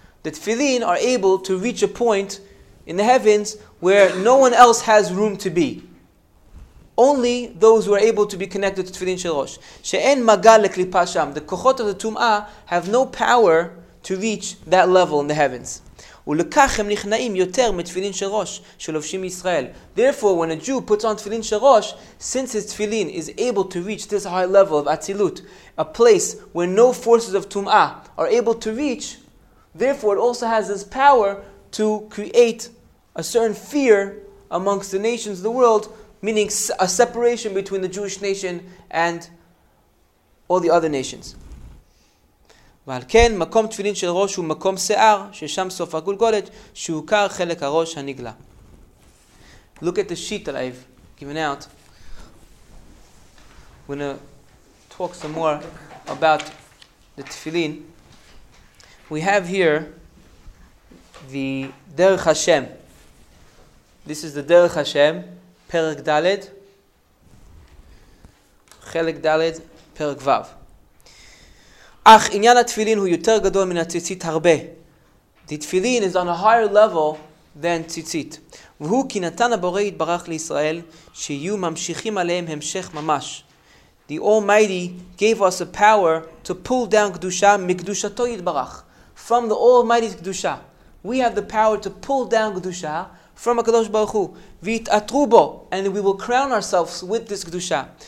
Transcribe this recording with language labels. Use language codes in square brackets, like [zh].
[en] The tefillin are able to reach a point in the heavens where no one else has room to be. Only those who are able to be connected to tefillin shel rosh. [he] She'en magal leklipa sham. [en] The kochot of the tum'ah have no power to reach that level in the heavens. [he] ולכך הם נכנעים יותר מתפילין של ראש שלובשים ישראל. [en] Therefore, when a Jew puts on תפילין של ראש, since his תפילין is able to reach this high level of atzilut, a place where no forces of tum'ah are able to reach, therefore it also has this power to create a certain fear amongst the nations of the world, meaning a separation between the Jewish nation and all the other nations. [he] ועל כן מקום תפילין של ראש הוא מקום שיער ששם סוף הגולגולת שהוכר חלק הראש הנגלה. [en] Look at the sheet that I've given out. We're going to talk some more about the tefillin. We have here the Derech Hashem. This is the Derech Hashem, Perek Dalet, Chelek Dalet, Perek Vav. [he] אך עניין התפילין הוא יותר גדול מן הציצית הרבה. [en] The תפילין is on a higher level than ציצית. [he] והוא כי נתן הבורא יתברך לישראל שיהיו ממשיכים עליהם המשך ממש. [en] The Almighty gave us a power to pull down קדושה מקדושתו יתברך. From the Almighty's קדושה. We have the power to pull down קדושה from הקדוש ברוך הוא. [he] ויתעטרו בו. [en] And we will crown ourselves with this קדושה.